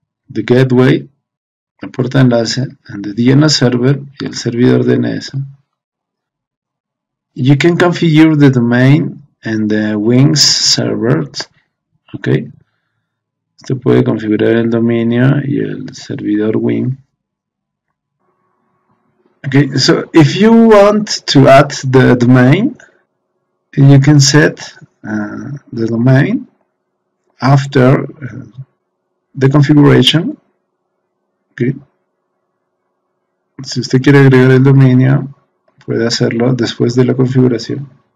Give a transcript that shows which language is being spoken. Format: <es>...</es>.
<es>The gateway, la puerta de enlace. And the DNS Server, y el servidor DNS.</es> <en>You can configure the domain and the Wings servers. Ok.</en> <es>Usted puede configurar el dominio y el servidor Wing.</es> <en>Okay, so if you want to add the domain, you can set the domain after the configuration. Okay.</en> <es>Si usted quiere agregar el dominio, puede hacerlo después de la configuración.</es>